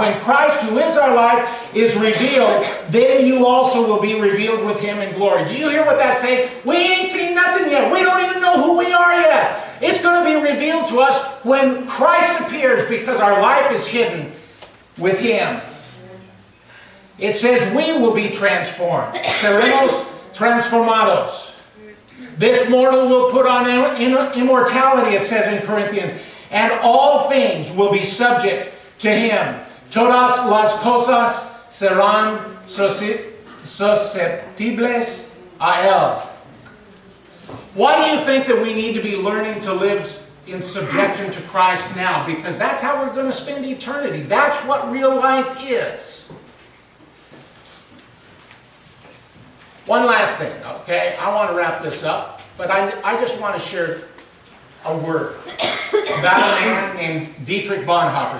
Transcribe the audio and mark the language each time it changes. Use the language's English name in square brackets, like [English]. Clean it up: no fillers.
[English] When Christ, who is our life, is revealed, then you also will be revealed with him in glory. Do you hear what that say? We ain't seen nothing yet. We don't even know who we are yet. It's going to be revealed to us when Christ appears, because our life is hidden with him. It says we will be transformed. [Spanish] Seremos transformados. [English] This mortal will put on immortality, it says in Corinthians. And all things will be subject to him. [Spanish] Todas las cosas serán susceptibles a él. [English] Why do you think that we need to be learning to live in subjection to Christ now? Because that's how we're going to spend eternity. That's what real life is. One last thing, okay? I want to wrap this up, but I just want to share a word about a man named Dietrich Bonhoeffer.